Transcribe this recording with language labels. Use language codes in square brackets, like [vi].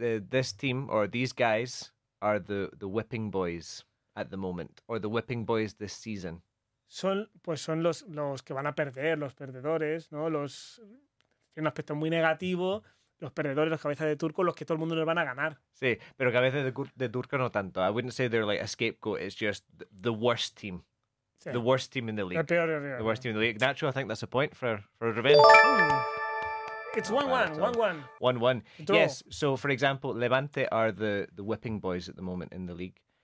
[en] This team or these guys are the whipping boys. At the moment, or the whipping boys this season. [es] Son los que van a perder, los perdedores, ¿no? Los tienen un aspecto muy negativo, los perdedores, los cabezas de turco, los que todo el mundo les van a ganar. Sí, pero cabezas de turco no tanto. [en] I wouldn't say they're like a scapegoat, it's just the worst team. [es] Sí. [en] The worst team in the league. The worst team in the league. Nacho, I think that's a point for Rubén. It's 1-1. 1-1. Yes, so for example, Levante are the whipping boys at the moment in the league.